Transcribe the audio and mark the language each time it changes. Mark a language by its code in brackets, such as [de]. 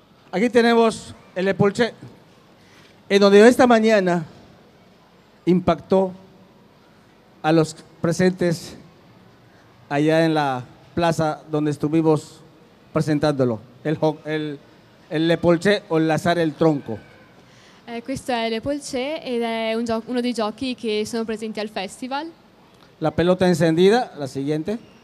[es] Aquí tenemos el epulché, en donde esta mañana impactó a los presentes allá en la plaza donde estuvimos presentándolo. El epulché o lazar el tronco. [it] Questo è l'epulché ed è uno dei giochi che sono presenti al festival. [es] La pelota encendida, la siguiente.